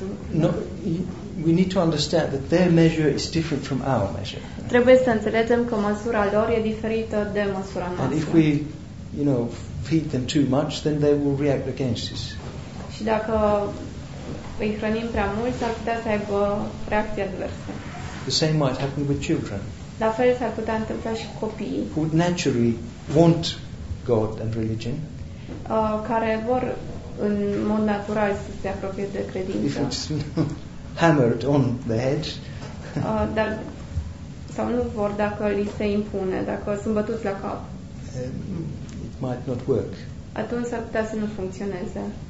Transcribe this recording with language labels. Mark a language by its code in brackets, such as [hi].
[en] No, we need to understand that their measure is different from our measure. [ro] Trebuie să înțelegem că măsura lor e diferită de măsura noastră. [en] And if we, you know, feed them too much, then they will react against us. [ro] Și dacă îi hrănim prea mult, s-ar putea să aibă reacții adverse. [en] The same might happen with children. [ro] La fel s-ar putea întâmpla și cu copiii. [en] Who would naturally want God and religion? [ro] Care vor în mod natural să se apropie de credință. [en] If it's hammered on the head. [ro] Dar sau nu vor dacă li se impune, dacă sunt bătuți la cap. [en] It might not work. [ro] Atunci s-ar putea să nu funcționeze.